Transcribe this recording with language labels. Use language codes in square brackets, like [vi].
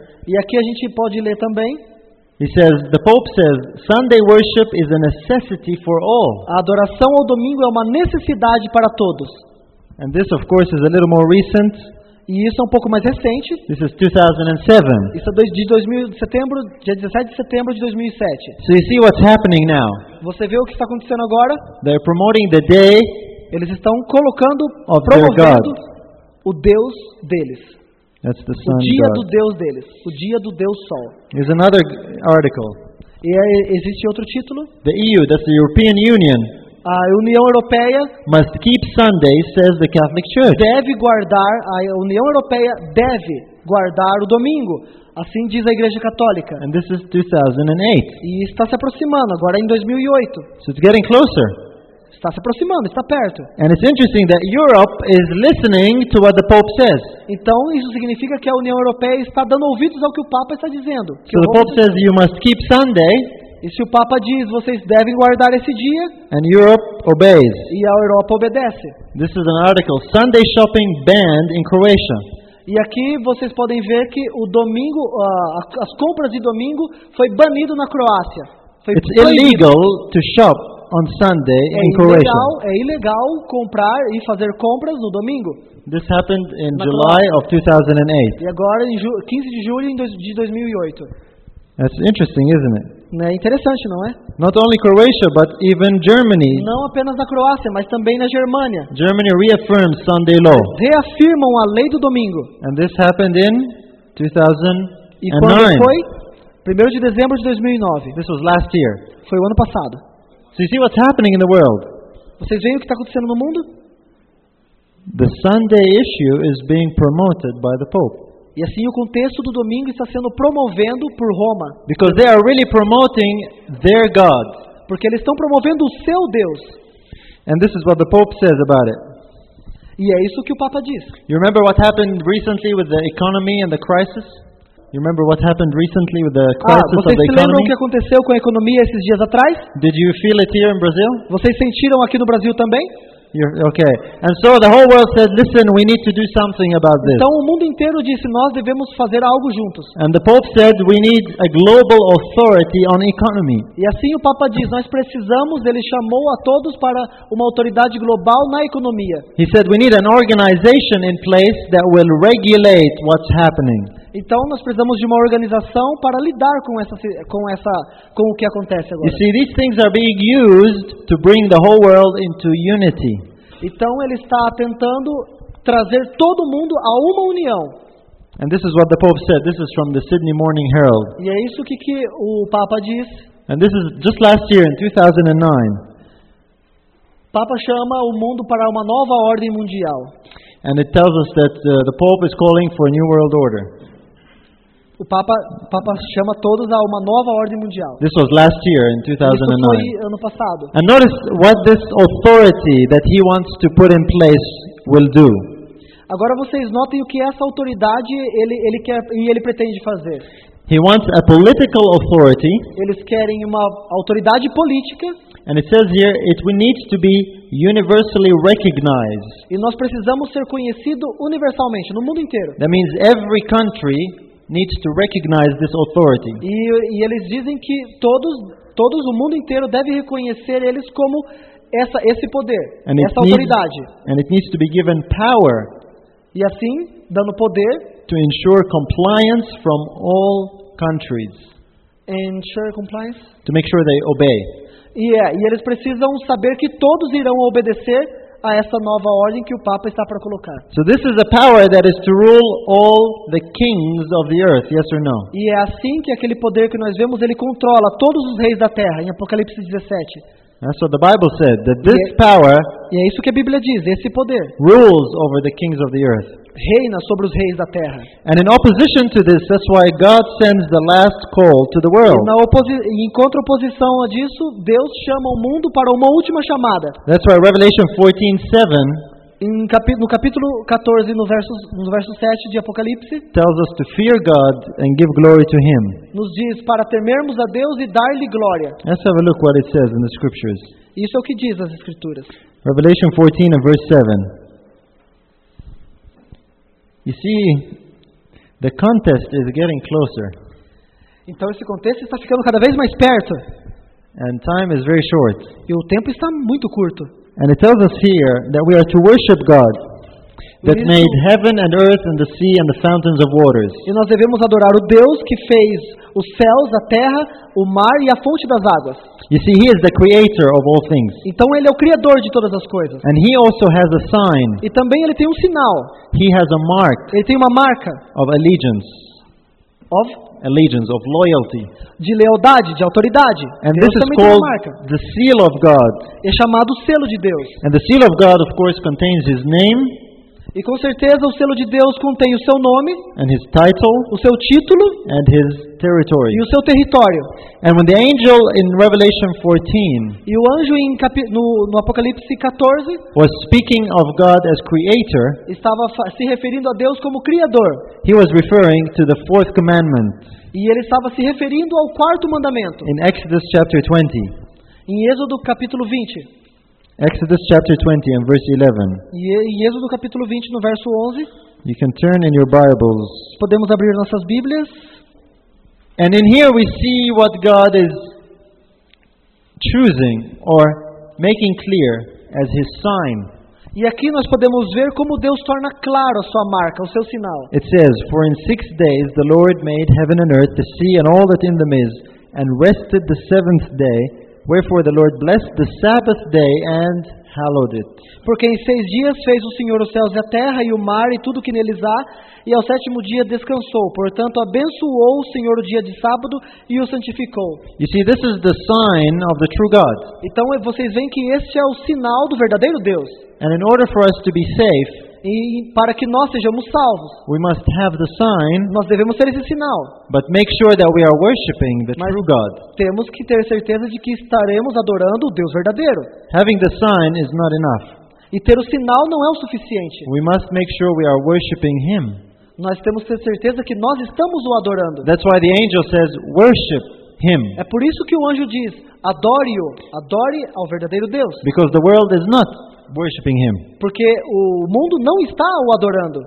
[pt] E aqui a gente pode ler também. [en] He says, the Pope says, Sunday worship is a necessity for all. [pt] A adoração ao domingo é uma necessidade para todos. [en] And this, of course, is a little more recent. [pt] E isso é um pouco mais recente. [en] This is 2007. [pt] Isso é dia 17 de setembro de 2007. [en] So you see what's happening now. [pt] Você vê o que está acontecendo agora? [en] They're promoting the day. [pt] Eles estão colocando, promovendo o Deus deles. [en] That's the sun. [pt] O dia [en] God. [pt] Do Deus deles. O dia do Deus Sol. [en] There's another article. [pt] E existe outro título? [en] The EU, that's the European Union. [pt] A União Europeia. [en] Must keep Sunday, says the Catholic Church. [pt] Deve guardar, a União Europeia deve guardar o domingo. Assim diz a Igreja Católica. [en] And this is 2008. [pt] E está se aproximando, agora é em 2008. [en] So it's getting closer. [pt] Está se aproximando, está perto. [en] And it's interesting that Europe is listening to what the Pope says. [pt] Então isso significa que a União Europeia está dando ouvidos ao que o Papa está dizendo. [en] So the Pope says you must keep Sunday. [pt] E se o Papa diz vocês devem guardar esse dia? [en] And Europe obeys. [pt] E a Europa obedece. [en] This is an article, Sunday shopping banned in Croatia. [pt] E aqui vocês podem ver que o domingo, as compras de domingo foi banido na Croácia. Foi [en] It's proibido. Illegal to shop on Sunday in Croatia. [pt] É ilegal comprar e fazer compras no domingo. [en] This happened in July of 2008. [pt] E agora em 15 de julho de 2008. [en] That's interesting, isn't it? [pt] Não é interessante, não é? [en] Not only Croatia, but even Germany. [pt] Não apenas na Croácia, mas também na Germânia. [en] Germany reaffirms Sunday law. [pt] Reafirmam a lei do domingo. [en] And this happened in [pt] 2009. E quando foi? 1º de dezembro de 2009. [en] This was last year. [pt] Foi o ano passado. [en] So you see what's happening in the world? [pt] Vocês veem o que está acontecendo no mundo? [en] The Sunday issue is being promoted by the Pope. [pt] E assim o contexto do domingo está sendo promovendo por Roma. [en] Because they are really promoting their God. [pt] Porque eles estão promovendo o seu Deus. [en] And this is what the Pope says about it. [pt] E é isso que o Papa diz. [en] You remember what happened recently with the economy and the crisis? You remember what happened recently with the crisis of the economy? [pt] Vocês lembram o que aconteceu com a economia esses dias atrás? [en] Did you feel it here in Brazil? [pt] Vocês sentiram aqui no Brasil também? [en] Okay. And so the whole world said, "Listen, we need to do something about this." [pt] Então o mundo inteiro disse, nós devemos fazer algo juntos. [en] And the Pope said, "We need a global authority on economy." [pt] E assim o Papa diz, nós precisamos. Ele chamou a todos para uma autoridade global na economia. [en] He said, "We need an organization in place that will regulate what's happening." [pt] Então nós precisamos de uma organização para lidar com o que acontece agora. [en] You see, these things are being used to bring the whole world into unity. [pt] Então ele está tentando trazer todo mundo a uma união. [en] And this is what the Pope said. This is from the Sydney Morning Herald. [pt] E é isso que o Papa diz. [en] And this is just last year in 2009. [pt] Papa chama o mundo para uma nova ordem mundial. [en] And it tells us that the Pope is calling for a new world order. [pt] O Papa chama todos a uma nova ordem mundial. [en] This was last year in 2009. [pt] Isso foi ano passado. [en] And notice what this authority that he wants to put in place will do. [pt] Agora vocês notem o que essa autoridade ele quer e ele pretende fazer. [en] He wants a political authority. [pt] Eles querem uma autoridade política. [en] And it says here it needs to be universally recognized. [pt] E nós precisamos ser conhecido universalmente no mundo inteiro. [en] That means every country needs to recognize this authority. [pt] E eles dizem que todos o mundo inteiro deve reconhecer eles como esse poder, [en] and [pt] essa autoridade. [en] And it needs to be given power. [pt] E assim, dando poder. [en] To ensure compliance from all countries. Ensure compliance. To make sure they obey. [pt] E eles precisam saber que todos irão obedecer a essa nova ordem que o Papa está para colocar. [en] So this is a power that is to rule all the kings of the earth, yes or no? [pt] E é assim que aquele poder que nós vemos, ele controla todos os reis da terra, em Apocalipse 17. [en] That's what the Bible said, that this power. [pt] E é isso que a Bíblia diz, esse poder. [en] Rules over the kings of the earth. [pt] Reina sobre os reis da terra. [en] And in opposition to this, that's why God sends the last call to the world. [pt] E em contraposição a disso, Deus chama o mundo para uma última chamada. [en] That's why Revelation 14:7. [pt] No capítulo 14, no verso 7 de Apocalipse, [en] tells us to fear God and give glory to Him. [pt] Nos diz para temermos a Deus e dar-lhe glória. [en] Let's have a look what it says in the scriptures. [pt] Isso é o que diz as escrituras. [en] Revelation 14 and verse 7. You see, the contest is getting closer. [pt] Então esse contexto está ficando cada vez mais perto. [en] And time is very short. [pt] E o tempo está muito curto. [en] And it tells us here that we are to worship God that made heaven and earth and the sea and the fountains of waters. [pt] E nós devemos adorar o Deus que fez os céus, a terra, o mar e a fonte das águas. [en] You see, He is the creator of all things. [pt] Então ele é o criador de todas as coisas. [en] And He also has a sign. [pt] E também ele tem um sinal. [en] He has a mark. [pt] Ele tem uma marca. [en] Of allegiance. Of allegiance, of loyalty. [pt] De lealdade, de autoridade. [en] And [pt] Deus [en] this is called the seal of God. [pt] É chamado selo de Deus. [en] And the seal of God, of course, contains His name. [pt] E com certeza o selo de Deus contém o seu nome. [en] And His title. [pt] O seu título. [en] And His territory. [pt] E o seu território. [en] And when the angel in Revelation 14. [pt] E o anjo no Apocalipse 14. [en] Was speaking of God as creator. [pt] Estava se referindo a Deus como criador. [en] He was referring to the fourth commandment. [pt] E ele estava se referindo ao quarto mandamento. [en] In Exodus chapter 20. [pt] Em Êxodo capítulo 20. [en] Exodus chapter 20 and verse 11. [pt] Em Êxodo capítulo 20 no verso 11. [en] You can turn in your Bibles. [pt] Podemos abrir nossas Bíblias. [en] And in here we see what God is choosing or making clear as His sign. [pt] E aqui nós podemos ver como Deus torna claro a sua marca, o seu sinal. [en] It says, "For in 6 days the Lord made heaven and earth, the sea and all that in them is, and rested the seventh day. Wherefore the Lord blessed the Sabbath day and hallowed it." [pt] Porque em 6 dias fez o Senhor os céus e a terra e o mar e tudo que neles há, e ao sétimo dia descansou. Portanto, abençoou o Senhor o dia de sábado e o santificou. [en] You see, this is the sign of the true God. [pt] Então, vocês veem que este é o sinal do verdadeiro Deus. [en] And in order for us to be safe, [pt] e para que nós sejamos salvos, [en] we must have the sign, [pt] nós devemos ter esse sinal. [en] But make sure that we are worshiping the true God. [pt] Temos que ter certeza de que estaremos adorando o Deus verdadeiro. [en] Having the sign is not enough. [pt] E ter o sinal não é o suficiente. [en] We must make sure we are worshiping Him. [pt] nós temos que ter certeza que nós estamos o adorando. [en] That's why the angel says, worship him. [pt] É por isso que o anjo diz, adore-o, adore ao verdadeiro Deus. [en] Because the world is not worshiping him. [pt] Porque o mundo não está o adorando.